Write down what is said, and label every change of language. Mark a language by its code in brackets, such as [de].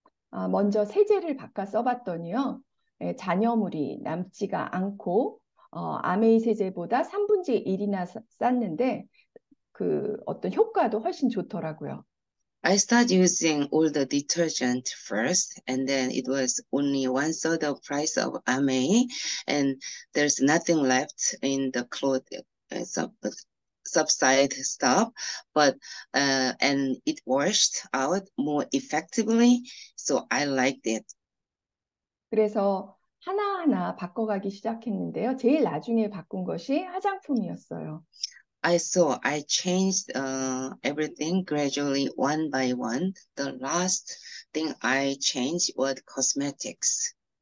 [ko] 먼저 세제를 바꿔 써봤더니요, 잔여물이 남지가 않고 아메이 세제보다 3분의 1이나 쌌는데 그 어떤 효과도 훨씬 좋더라고요. [en] I start using all the detergent first, and then it was only one third of price of Amay, and there's nothing left in the cloth. Subside stuff, but and it washed out more effectively, so I liked it. [ko] 그래서 하나하나 바꿔가기 시작했는데요. 제일 나중에 바꾼 것이 화장품이었어요. [en] I changed everything gradually one by one. The last thing I changed was cosmetics.